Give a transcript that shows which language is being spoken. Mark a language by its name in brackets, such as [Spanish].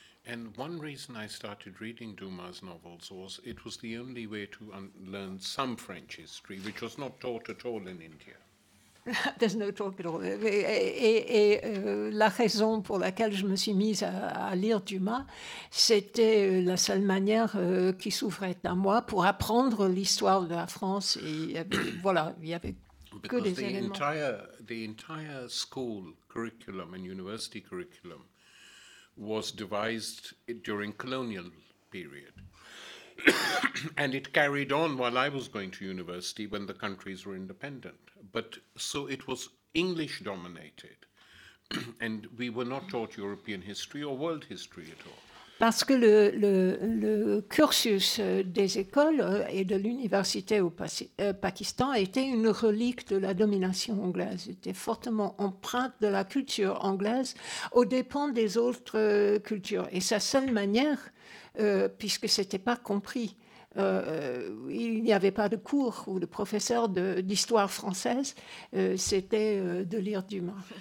[English] And one reason I started reading Dumas novels was it was the only way to learn some French history, which was not taught at all in India. There's no talk at all. [French] Et la raison pour laquelle je me suis mise à lire Dumas, c'était la seule manière qui s'ouvrait à moi pour apprendre l'histoire de la France. Et voilà, il y avait que des éléments. [English] The entire school curriculum and university curriculum was devised during colonial period. And it carried on while I was going to university when the countries were independent. But so it was English dominated. And we were not taught European history or world history at all. [French] Parce que le cursus des écoles et de l'université au Pakistan était une relique de la domination anglaise, était fortement empreinte de la culture anglaise aux dépens des autres cultures. Et sa seule manière, puisque ce n'était pas compris, il n'y avait pas de cours ou de professeur d'histoire française, c'était de lire Dumas.